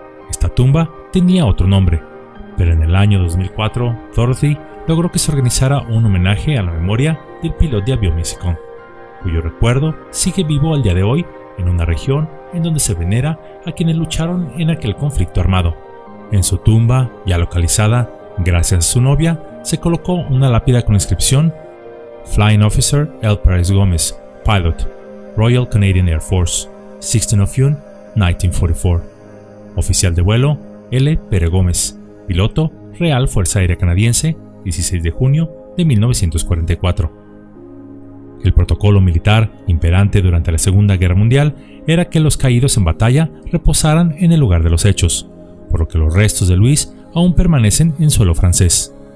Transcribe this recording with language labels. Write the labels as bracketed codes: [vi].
[es] Esta tumba tenía otro nombre, pero en el año 2004, Dorothy logró que se organizara un homenaje a la memoria del piloto de avión Missicon, cuyo recuerdo sigue vivo al día de hoy en una región en donde se venera a quienes lucharon en aquel conflicto armado. En su tumba, ya localizada, gracias a su novia, se colocó una lápida con inscripción [en] Flying Officer L. Perez Gómez, Pilot, Royal Canadian Air Force, 16 of June, 1944. [es] Oficial de vuelo, L. Perez Gómez, Piloto, Real Fuerza Aérea Canadiense, 16 de junio de 1944. El protocolo militar imperante durante la Segunda Guerra Mundial era que los caídos en batalla reposaran en el lugar de los hechos, por lo que los restos de Luis aún permanecen en suelo francés.